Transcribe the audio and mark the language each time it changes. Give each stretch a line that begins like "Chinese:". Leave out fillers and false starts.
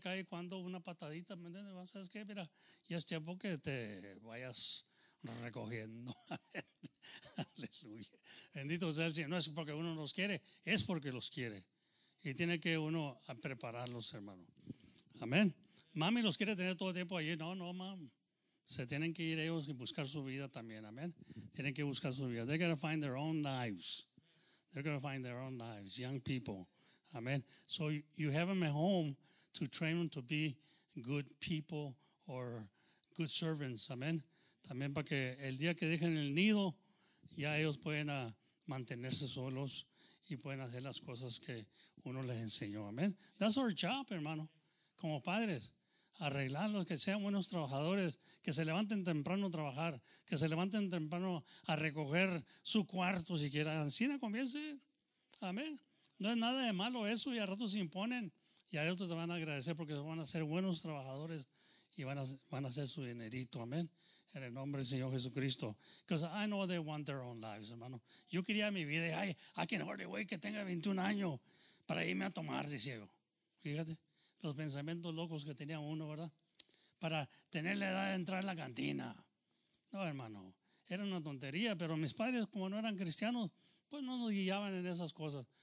Spanish: Cae cuando una patadita, ¿me entiendes? ¿Sabes qué? Mira, ya es tiempo que te vayas recogiendo. Aleluya. Bendito sea el Señor. No es porque uno los quiere, es porque los quiere. Y tiene que uno prepararlos, hermano. Amén. Mami los quiere tener todo el tiempo allí. No, mam. Se tienen que ir ellos y buscar su vida también, amén. Tienen que buscar su vida.
English: They're going to find their own lives. They're going to find their own lives, young people. Amen. So you have them at home to train them to be good people or good servants. Amen.
Spanish: También para que el día que dejen el nido, ya ellos pueden mantenerse solos y pueden hacer las cosas que uno les enseñó. Amen.
English: That's our job,
Spanish: hermano, como padres. arreglarlos, que sean buenos trabajadores, que se levanten temprano a trabajar, que se levanten temprano a recoger su cuarto si quieran. Así no comience. Amén. No es nada de malo eso, y a ratos se imponen, y a otros te van a agradecer porque van a ser buenos trabajadores y van a hacer su dinerito. Amén. En el nombre del Señor Jesucristo.
English: Because I know they want their own lives, hermano.
Spanish: Yo quería mi vida y, ay,
English: I can hardly wait
Spanish: que tenga 21 años para irme a tomar de ciego. Fíjate, los pensamientos locos que tenía uno, ¿verdad? Para tener la edad de entrar en la cantina. No, hermano, era una tontería, pero mis padres, como no eran cristianos, pues no nos guiaban en esas cosas.